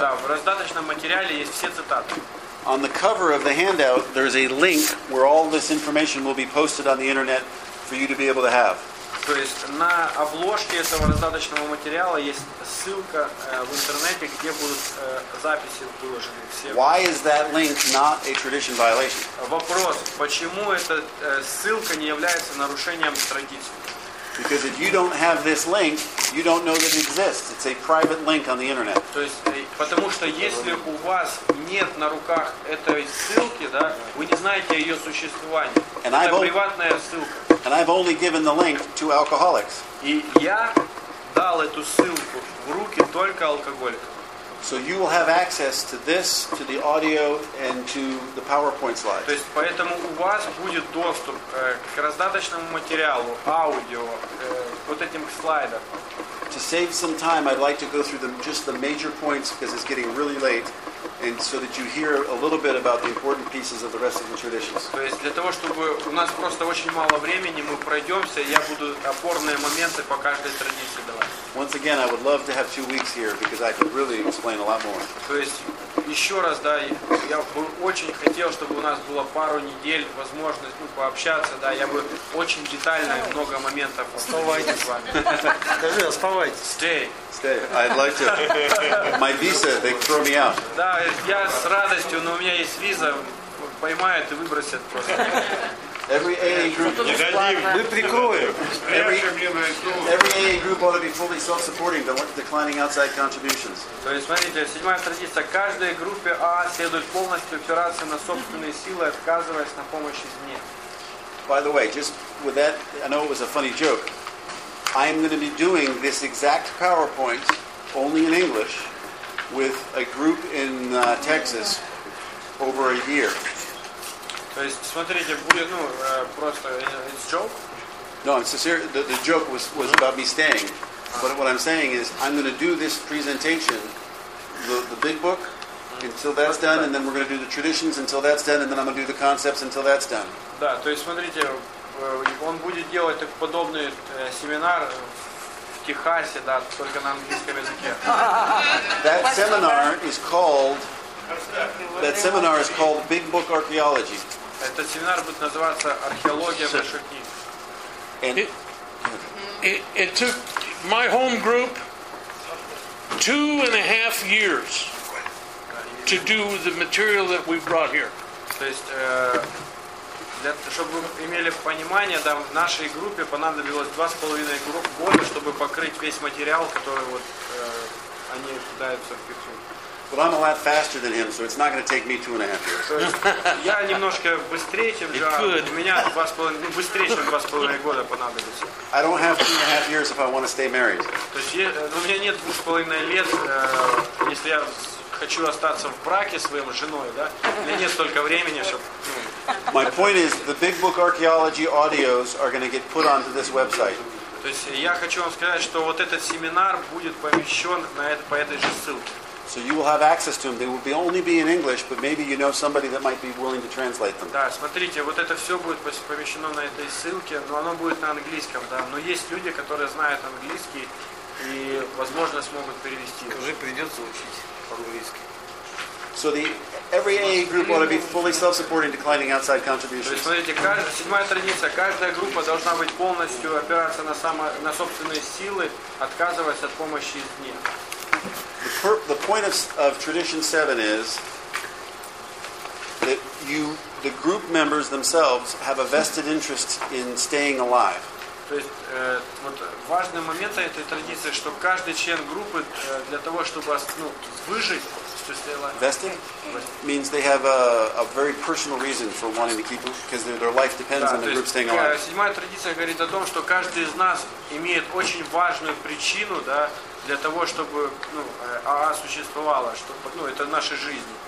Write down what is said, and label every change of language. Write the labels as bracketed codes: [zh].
[ru] Да, в раздаточном материале есть все цитаты. [en] On the cover of the handout, there is a link where all this information will be posted on the internet for you to be able to have. [ru] То есть на обложке этого раздаточного материала есть ссылка в интернете, где будут записи выложены. [en] Why is that link not a tradition violation? [ru] Вопрос: почему эта ссылка не является нарушением традиции? [en] Because if you don't have this link, you don't know that it exists. It's a private link on the internet. [ru] То есть, потому что если у вас нет на руках этой ссылки, да, вы не знаете о ее существовании. [en] And I've [ru] приватная ссылка. [en] And I've only given the link to alcoholics. [ru] И я дал эту ссылку в руки только алкоголикам. [en] So you will have access to this, to the audio, and to the PowerPoint slides. [ru] То есть поэтому у вас будет доступ к раздаточному материалу, аудио, вот этим слайдам. [en] To save some time, I'd like to go through just the major points because it's getting really late, and so that you hear a little bit about the important pieces of the rest of the traditions. [ru] То есть для того, чтобы у нас просто очень мало времени, мы пройдемся, я буду опорные моменты по каждой традиции давать. [en] Once again, I would love to have 2 weeks here because I could really explain a lot more. [ru] То есть еще раз, да, я бы очень хотел, чтобы у нас было пару недель возможность, ну, пообщаться, да, я бы очень детально много моментов. Оставайтесь с вами. Скажи, оставайтесь. [en] Stay. Stay. I'd like to. My visa, they throw me out. [ru] Да, я с радостью, но у меня есть виза, поймают и выбросят просто. [en] Every AA group, [ru] мы прикроем. [en] Every AA group ought to be fully self-supporting, but declining outside contributions. [ru] То есть, смотрите, седьмая традиция: каждой группе АА следует полностью опираться на собственные силы, отказываясь на помощь извне. [en] By the way, just with that, I know it was a funny joke. I am going to be doing this exact PowerPoint only in English with a group in Texas over a year. [ru] То есть, смотрите, будет, ну, просто, [en] it's joke? No, it's serious. The joke was about me staying. But what I'm saying is, I'm going to do this presentation, the big book, until that's done, and then we're going to do the traditions until that's done, and then I'm going to do the concepts until that's done. [ru] Да, то есть, смотрите, он будет делать подобный семинар в Техасе, да, только на английском языке. [en] That seminar is called... That seminar is called Big Book Archaeology. [ru] Этот семинар будет называться Археология больших книг. [en] It took my home group 2.5 years to do the material that we brought here. [ru] То есть, чтобы вы имели понимание, да, в нашей группе понадобилось 2.5 года, чтобы покрыть весь материал, который вот они пытаются впихнуть. [en] But I'm a lot faster than him, so it's not going to take me 2.5 years. [ru] Я немножко быстрее, чем Джоан. У меня 2.5 года понадобится. [en] I don't have 2.5 years if I want to stay married. [ru] То есть у меня нет 2.5 лет, если я хочу остаться в браке своей женой, да? У меня нет столько времени, чтобы... [en] My point is, the Big Book Archaeology audios are going to get put onto this website. [ru] То есть я хочу вам сказать, что вот этот семинар будет помещен по этой же ссылке. [en] So you will have access to them. They will only be in English, but maybe you know somebody that might be willing to translate them. [ru] Да, смотрите, вот это все будет помещено на этой ссылке, но оно будет на английском, да. Но есть люди, которые знают английский и, возможно, смогут перевести. Уже придется учить по-английски. [en] So the every AA group ought to be fully self-supporting, declining outside contributions. [ru] То есть, смотрите, каждая седьмая традиция, каждая группа должна быть полностью опираться на собственные силы, отказываясь от помощи извне. [en] The point of tradition 7 is that the group members themselves have a vested interest in staying alive. [ru] То есть вот важный момент этой традиции, что каждый член группы для того, чтобы выжить, [en] to stay alive. Vested means they have a very personal reason for wanting to keep, because their life depends on the group staying alive. [ru] Седьмая традиция говорит о том, что каждый из нас имеет очень важную причину, да, для того, чтобы АА существовало, чтобы, это наша жизнь.